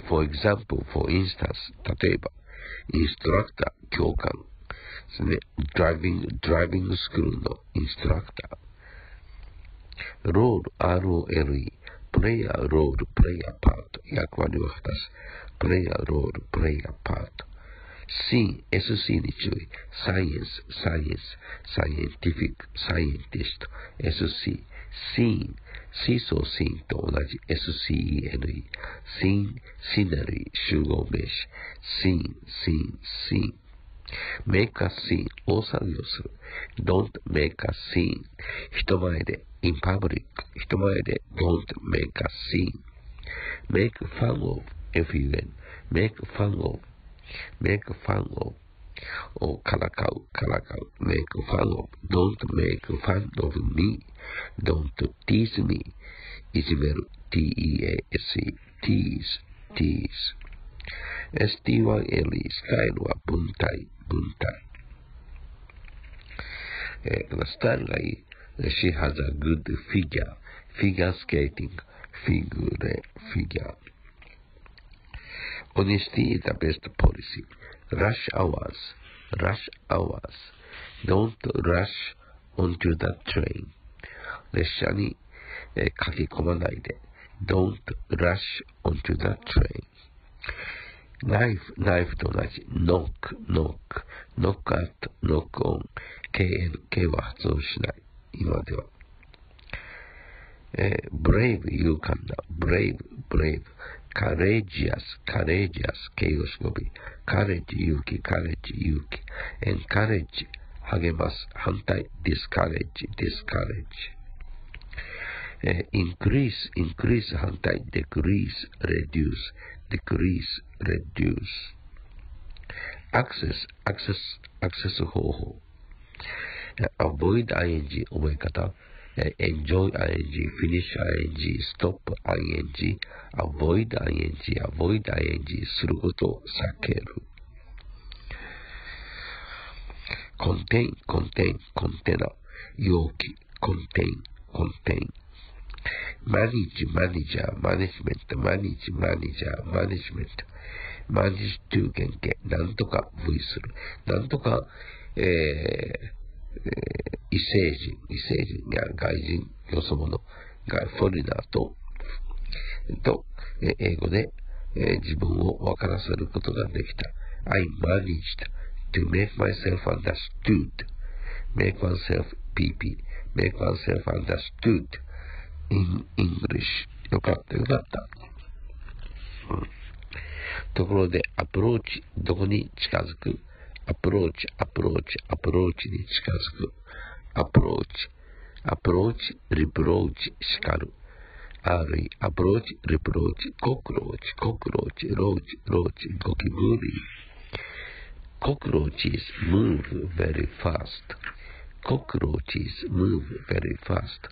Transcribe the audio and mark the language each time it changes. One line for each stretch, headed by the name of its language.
Japanese: で、
English: for example, for instance,
Japanese: 例えば、インストラクター、教官。ですね。ドライビングスクールのインストラクター。ロール、R-O-L-E。プレイヤー、ロール、プレイヤー、パート。役割を果たす。プレイヤー、ロール、プレイヤー、パート。 C, SC に注意。
English: Science, Scientific, Scientist, SC, Scene, Seesaw Scene と同じ SCENE, Scene, Scenery, 集合名詞。 Scene. Make a scene,
Japanese: 大騒ぎをする。
English: Don't make a scene,
Japanese: 人前で、
English: in public, 人前で、don't make a scene. Make fun of, F-U-N, make fun of,Make fun of
Japanese: をからかう
English: Make fun of Don't make fun of me Don't tease me
Japanese: いじめる
English: T-E-A-S-E Tease
Japanese: style スタイルは文体、文体。スタイルがいい。
English: She has a good figure. Figure skating. Figure, figure. Honesty is the best policy. Rush hours. Rush hours. Don't rush onto the train.
Japanese: 列車に、駆け込まないで。
English: Don't rush onto the train. Knife, knife と同じ。 Knock, knock. Knock at, knock on.
Japanese: KN, K は発音しない。今では。
English: Brave,
Japanese: 勇敢だ。
English: Brave, brave. Courageous, courageous.
Japanese: 形容詞語尾。
English: Courage, 勇気。 Courage, 勇気。 Encourage,
Japanese: 励ます。
English: 反対。Discourage, discourage. Increase, increase 反対 decrease, reduce, decrease, reduce. Access, access, access 方法 Avoid ing, 覚え方 Enjoy ing, finish ing, stop ing, avoid ing, avoid ing,
Japanese: することを避ける
English: Contain, contain, container 容器 contain, containManage, manager, management, manage, manager, management. Manage to
Japanese: 原型、なんとか V する。なんとか、異星人、異星人や外人、よそ者、外フォリナーと、英語で、自分を分からせることができた。
English: I managed to make myself understood. Make oneself PP. Make oneself understood. In English.
Japanese: よかった、よかった。ところで、アプローチ、どこに近づく？アプローチ、アプローチ、アプローチに近づく。アプローチ、アプローチ、リプローチ、叱る。 R-E、アプローチ、リプローチ、コクローチ、コクローチ、ローチ、ローチ、ゴキブリ。
English: コクローチ is move very fast. コクローチ is move very fast.